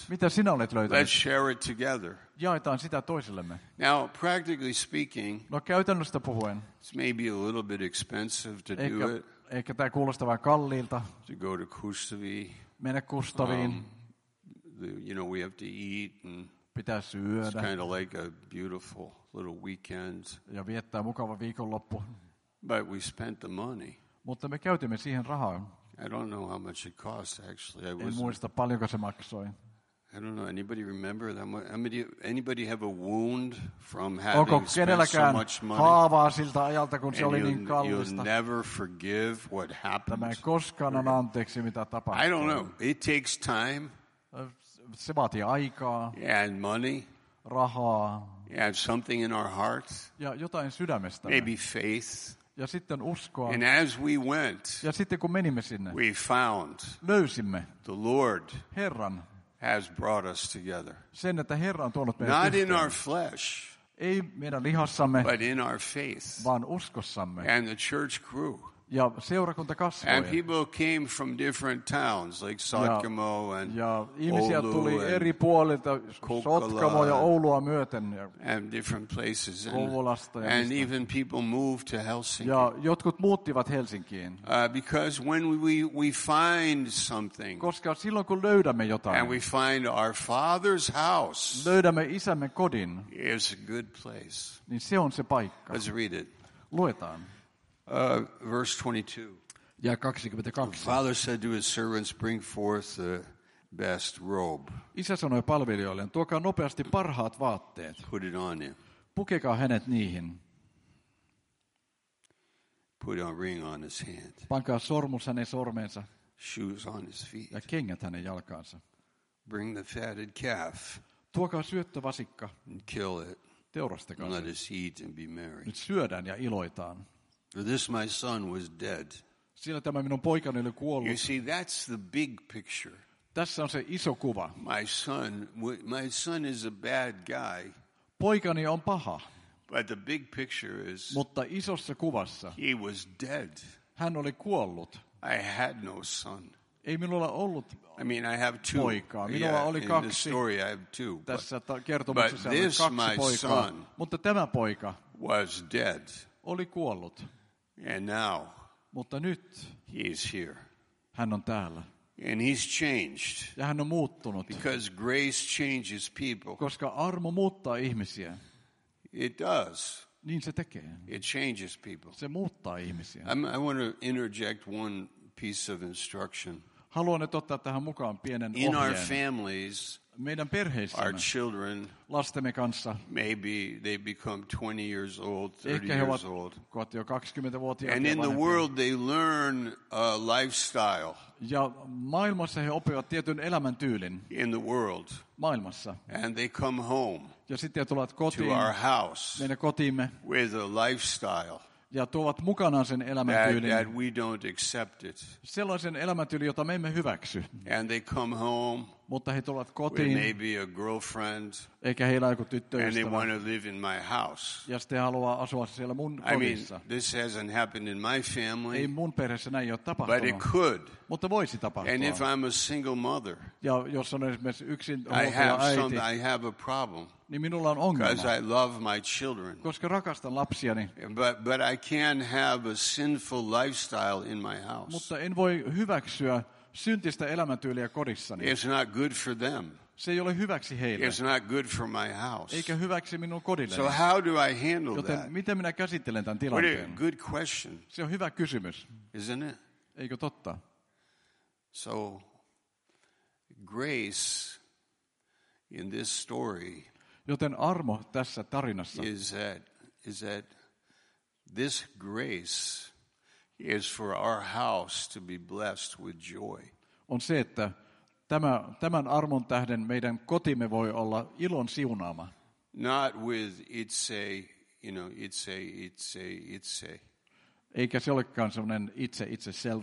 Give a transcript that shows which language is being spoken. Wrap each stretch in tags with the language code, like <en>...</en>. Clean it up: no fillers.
<fi>Mitä sinä olet löytänyt?</fi> <en>Let's share it together.</en> <fi>Jaetaan sitä toisillemme.</fi> <en>Now, practically speaking,</en> <fi>no, käytännöstä puhuen,</fi> <en>it's maybe a little bit expensive to do it.</en> <fi>Ehkä tämä kuulostaa vähän kalliilta.</fi> <en>To go to Kustavi.</en> <fi>Mennä Kustaviin.</fi> <en>You know, we have to eat and</en> <fi>pitää syödä.</fi> <en>It's kind of like a beautiful little weekend.</en> <fi>Ja viettää mukava viikonloppu.</fi> <en>But we spent the money.</en> <fi>Mutta me käytimme siihen rahaa.</fi> <en>I don't know how much it cost actually.</en> <fi>En muista paljonko se maksoi.</fi> <en>I don't know. Anybody remember that much? Anybody have a wound from having spent so much money?</en> <fi>Haavaa siltä ajalta, kun se oli niin kallista.</fi> <en>You'll never forgive what happened.</en> <fi>Tämä ei koskaan anna anteeksi, mitä tapahtui.</fi> <en>I don't know. It takes time.</en> <fi>Se vaatii aikaa.</fi> <en>And money.</en> <fi>Rahaa.</fi> <en>And something in our hearts.</en> <fi>Ja jotain sydämestä.</fi> <en>Maybe faith.</en> <fi>Ja sitten uskoa.</fi> <en>And as we went.</en> <fi>Ja sitten kun menimme sinne.</fi> <en>We found.</en> <fi>Löysimme.</fi> <en>The Lord.</en> <fi>Herran.</fi> <en>Has brought us together.</en> <fi>Sen, että Herra on tuonut meidät</fi> <en>not</en> <fi>yhteen.</fi> <en>In our flesh.</en> <fi>Ei meidän lihassamme.</fi> <en>But in our faith.</en> <fi>Vaan uskossamme.</fi> <en>And the church grew.</en> <fi>Ja seurakunta kasvoi.</fi> <en>And people came from different towns like Sotkamo and</en> <fi>ja ihmisiä Oulu tuli eri puolilta, Sotkamo ja Oulua myöten ja</fi> <en>and different places</en> <fi>Kouvolasta ja</fi> <en>and even people moved to Helsinki.</en> <fi>Ja jotkut muuttivat Helsinkiin.</fi> <en>Because when we find something.</en> <fi>Koska silloin kun löydämme jotain.</fi> <en>And we find our father's house.</en> <fi>Löydämme isämme kodin.</fi> <en>It's a good place.</en> <fi>Niin se on se paikka.</fi> <en>Let's read it.</en> <fi>Luetaan.</fi> <en>Verse 22. Father said to his servants, "Bring forth the best robe."</en> <fi>Isä sanoi palvelijoilleen, tuokaa nopeasti parhaat vaatteet.</fi> <en>Put it on him.</en> <fi>Pukekaa hänet niihin.</fi> <en>Put a ring on his hand.</en> <fi>Pankaa sormus hänen sormeensa.</fi> <en>Shoes on his feet.</en> <fi>Ja kengät hänen jalkaansa.</fi> <en>Bring the fatted calf.</en> <fi>Tuokaa syöttö vasikka.</fi> <en>Kill it.</en> <fi>Teurastakaa</fi> <en>se. Let us eat and be merry.</en> <fi>Nyt syödään ja iloitaan.</fi> <en>This my son was dead.</en> <fi>Siinä tämä minun poikani oli kuollut.</fi> <en>You see, that's the big picture.</en> <fi>Tässä on se iso kuva.</fi> <en>My son is a bad guy.</en> <fi>Poikani on paha.</fi> <en>But the big picture is.</en> <fi>Mutta isossa kuvassa.</fi> <en>He was dead.</en> <fi>Hän oli kuollut.</fi> <en>I had no son.</en> <fi>Ei minulla ollut.</fi> <en>I mean, I have two.</en> <fi>Poikaa. Minulla</fi> <en>yeah,</en> <fi>oli kaksi.</fi> <en>In the story, I have two.</en> <fi>Tässä kertomuksessa oli kaksi</fi> <en>my</en> <fi>poikaa.</fi> <en>Son</en> <fi>mutta tämä poika.</fi> <en>Was dead.</en> <fi>Oli kuollut.</fi> <en>And now,</en> <fi>mutta nyt</fi> <en>he is here.</en> <fi>Hän on täällä.</fi> <en>And he's changed.</en> <fi>Ja hän on muuttunut.</fi> <en>Because grace changes people.</en> <fi>Koska armo muuttaa ihmisiä.</fi> <en>It does.</en> <fi>Niin se tekee.</fi> <en>It changes people.</en> <fi>Se muuttaa ihmisiä.</fi> <en>I want to interject one piece of instruction.</en> <fi>Haluan nyt ottaa tähän mukaan pienen ohjeen.</fi> <en>In our families,</en> <fi>meidän perheissämme,</fi> <en>our children,</en> <fi>lastemme kanssa,</fi> <en>maybe they become 20 years old, 30 years old.</en> <fi>Ehkä he ovat 20-vuotiaat ja vanhempia.</fi> <en>And in the world they learn a lifestyle.</en> <fi>Ja maailmassa he oppivat tietyn elämäntyylin.</fi> <en>In the world.</en> <fi>Maailmassa.</fi> <en>And they come home.</en> <fi>Ja sitten he tulevat kotiin.</fi> <en>To our house.</en> <fi>Meidän kotiimme.</fi> <en>With a lifestyle.</en> <fi>Ja tuovat mukanaan sen elämäntyylin.</fi> <en>That we don't accept it.</en> <fi>Sellaisen elämäntyylin, jota me emme hyväksy.</fi> <en>And they come home.</en> <fi>Mutta he tulevat kotiin.</fi> <en>Maybe a girlfriend.</en> <fi>Eikä heillä joku tyttöystävä.</fi> <en>And they want to live in my house.</en> <fi>Ja sitten haluaa asua siellä mun kodissa.</fi> <en>I mean, this hasn't happened in my family.</en> <fi>Ei mun perheessä näin ole tapahtunut.</fi> <en>But it could.</en> <fi>Mutta voisi tapahtua.</fi> <en>And if I'm a single mother.</en> <fi>Ja jos on esimerkiksi yksinhuoltaja äiti.</fi> <en>I have a problem.</en> <fi>Niin minulla on ongelma.</fi> <en>Because I love my children.</en> <fi>Koska rakastan lapsiani.</fi> <en>But I can't have a sinful lifestyle in my house.</en> <fi>Mutta en voi hyväksyä syntistä elämäntyyliä kodissani.</fi> <en>It's not good for them.</en> <fi>Se ei ole hyväksi heille.</fi> <en>It's not good for my house.</en> <fi>Eikä hyväksi minun kodilleni.</fi> <en>So how do I handle</en> <fi>joten</fi> <en>that?</en> <fi>Miten minä käsittelen tämän tilanteen?</fi> <en>What a good question.</en> <fi>Se on hyvä kysymys.</fi> <en>Isn't it?</en> <fi>Eikö totta?</fi> <en>So grace in this story.</en> <fi>Joten armo tässä tarinassa.</fi> <en>Is that this grace is for our house to be blessed with joy.</en> <fi>On se, että tämän armon tähden meidän kotimme voi olla ilon siunaama.</fi> <en>Not with it's a.</en> <fi>Eikä se olekaan semmoinen itse self.</fi>